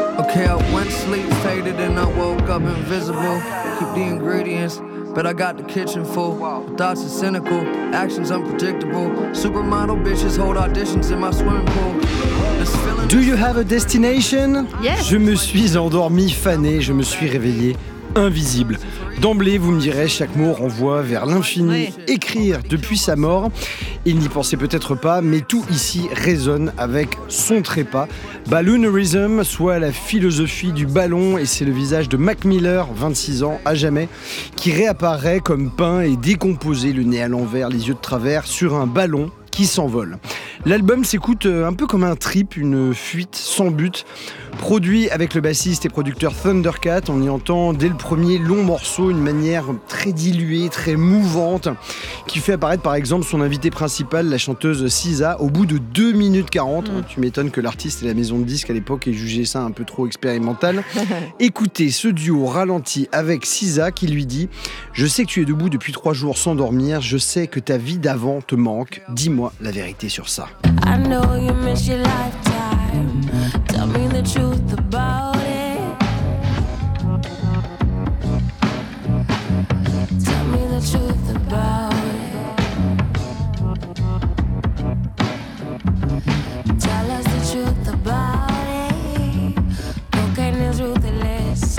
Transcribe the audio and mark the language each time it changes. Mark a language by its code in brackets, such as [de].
[en] Okay, I went sleep faded and I woke up invisible. Keep the ingredients, but I got the kitchen full. Thoughts are cynical, actions unpredictable. Supermodel bitches hold auditions in my swimming pool. Do you have a destination? Yes. [fr] Je me suis endormi, fané, je me suis réveillé. Invisible. D'emblée, vous me direz, chaque mot renvoie vers l'infini. Oui. Écrire depuis sa mort, il n'y pensait peut-être pas, mais tout ici résonne avec son trépas. Balloonerism, soit la philosophie du ballon, et c'est le visage de Mac Miller, 26 ans, à jamais, qui réapparaît comme peint et décomposé, le nez à l'envers, les yeux de travers, sur un ballon qui s'envole. L'album s'écoute un peu comme un trip, une fuite sans but. Produit avec le bassiste et producteur Thundercat, on y entend dès le premier long morceau une manière très diluée, très mouvante, qui fait apparaître par exemple son invité principal, la chanteuse SZA, au bout de 2 minutes 40. Tu m'étonnes que l'artiste et la maison de disques à l'époque aient jugé ça un peu trop expérimental. Écoutez ce duo ralenti avec SZA qui lui dit « Je sais que tu es debout depuis 3 jours sans dormir, je sais que ta vie d'avant te manque, dis-moi la vérité sur ça. » [en] I know you miss your lifetime. Tell me the truth about it. Tell me the truth about it. Tell us the truth about it. Cocaine is ruthless.